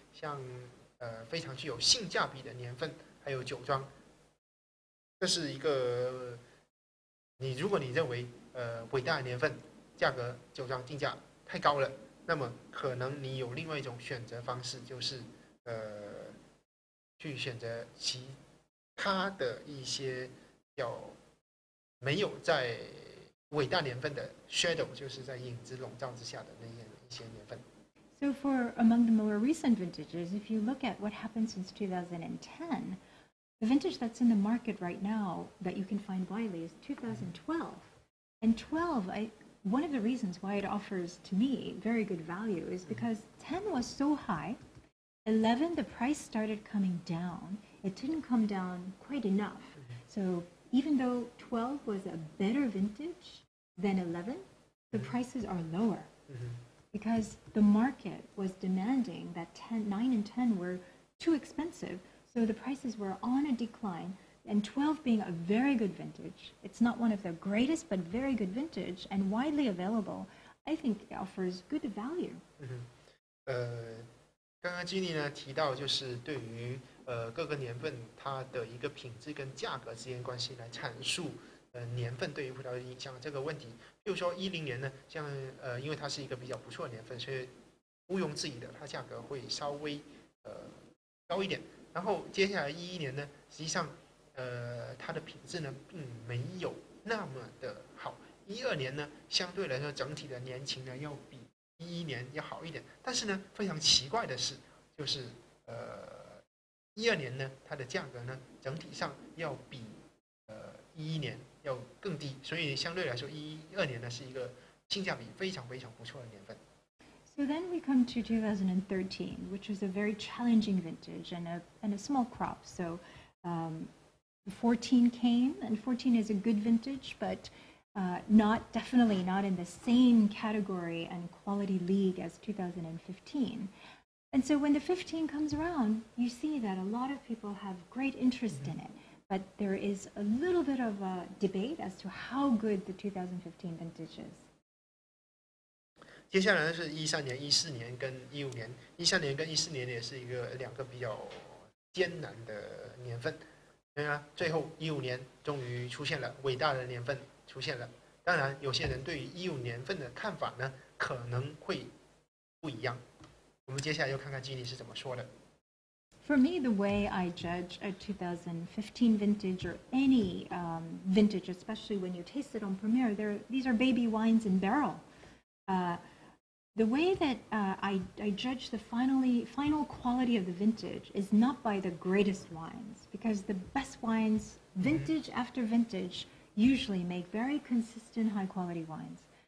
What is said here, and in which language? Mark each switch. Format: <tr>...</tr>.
<zh>像非常具有性价比的年份还有酒庄，这是一个你如果你认为伟大的年份价格酒庄定价太高了，那么可能你有另外一种选择方式，就是去选择其他的一些叫没有在伟大年份的 shadow， 就是在影子笼罩之下的那一些年份。</zh> <en>So for among the more recent vintages, if you look at what happened since 2010, the vintage that's in the market right now that you can find widely is 2012. And 12, one of the reasons why it offers to me very good value is because 10 was so high, 11, the price started coming down. It didn't come down quite enough. So even though 12 was a better vintage than 11, the prices are lower. Because the market was demanding that 9 and 10 were too expensive, so the prices were on a decline, and 12 being a very good vintage, it's not one of the greatest, but very good vintage, and widely available, I think it offers good value.</en> <zh>刚刚经理呢提到就是对于各个年份它的一个品质跟价格之间关系来阐述年份对于葡萄酒影响这个问题，比如说10年呢，像因为它是一个比较不错的年份，所以毋庸置疑的，它价格会稍微高一点。然后接下来11年呢，实际上它的品质呢并没有那么的好。 12年呢，相对来说整体的年情呢要比11年要好一点。但是呢，非常奇怪的是，就是12年呢，它的价格呢整体上要比11年要更低，所以相对来说12年呢是一个性价比非常非常不错的年份。</zh> <en>So then we come to 2013, which was a very challenging vintage and a small crop. So 14 came, and 14 is a good vintage, but not in the same category and quality league as 2015. And so when the 15 comes around, you see that a lot of people have great interest in it. But there is a little bit of a debate as to how good the 2015 vintage is.</en> <zh>接下来是13年、14年跟15年。 13年跟14年也是一个两个比较艰难的年份。对啊，最后15年终于出现了，伟大的年份出现了。当然有些人对于15年份的看法呢可能会不一样。我们接下来就看看基尼是怎么说的。</zh> <en>For me, the way I judge a 2015 vintage or any vintage, especially when you taste it on premiere, these are baby wines in barrel. The way that I judge the final quality of the vintage is not by the greatest wines, because the best wines, vintage after vintage, usually make very consistent high-quality wines.</en>